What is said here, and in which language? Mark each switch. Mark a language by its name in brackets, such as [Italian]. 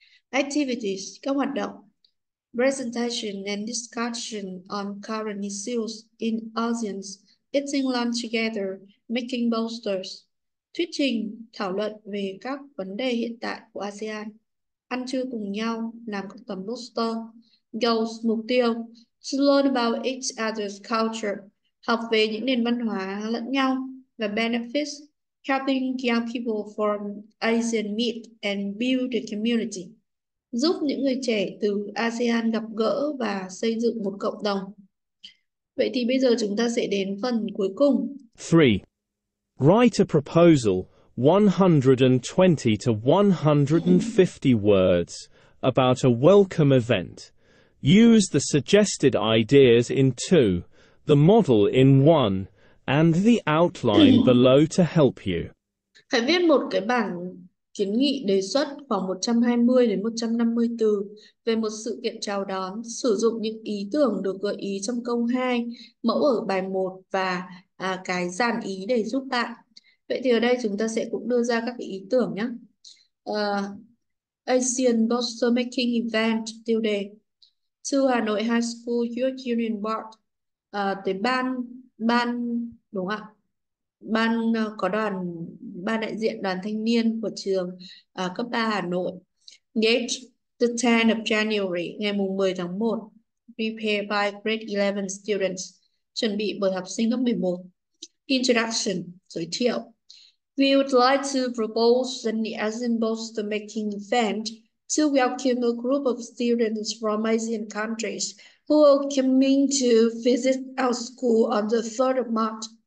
[English] Activities, [Vietnamese] các hoạt động. [English] Presentation and discussion on current issues in ASEAN, eating lunch together, making posters. [Vietnamese] Thuyết trình, thảo luận về các vấn đề hiện tại của ASEAN. Ăn trưa cùng nhau, làm các tấm poster. Goals, mục tiêu. [English] To learn about each other's culture. [Vietnamese] Học về những nền văn hóa lẫn nhau. Và benefits. [English] Helping young people from ASEAN meet and build the community. [Vietnamese] Giúp những người trẻ từ ASEAN gặp gỡ và xây dựng một cộng đồng. Vậy thì bây giờ chúng ta sẽ đến phần cuối cùng. [English] 3. Write a proposal 120 to 150 words about a welcome event. Use the suggested ideas in 2, the model in 1, and the outline below to help you. [Vietnamese] Hãy viết một cái bản kiến nghị đề xuất khoảng 120 đến 150 từ về một sự kiện chào đón, sử dụng những ý tưởng được gợi ý trong câu 2, mẫu ở bài 1 và cái dàn ý để giúp bạn. Vậy thì ở đây chúng ta sẽ cũng đưa ra các ý tưởng nhé. [English] ASEAN Poster Making Event, [Vietnamese] tiêu đề. [English] To Hà Nội High School Youth Union Board, [Vietnamese] tới ban ban đúng ạ? Ban có đoàn ban đại diện đoàn thanh niên của trường cấp 3 Hà Nội. [English] Date the 10th of January, [Vietnamese] ngày mùng 10 tháng 1. [English] Prepare by grade 11 students, [Vietnamese] chuẩn bị bởi học sinh lớp 11. Introduction, giới thiệu. [English] We would like to propose an ASEAN poster making event to welcome a group of students from ASEAN countries who are coming to visit our school on the 3rd of March.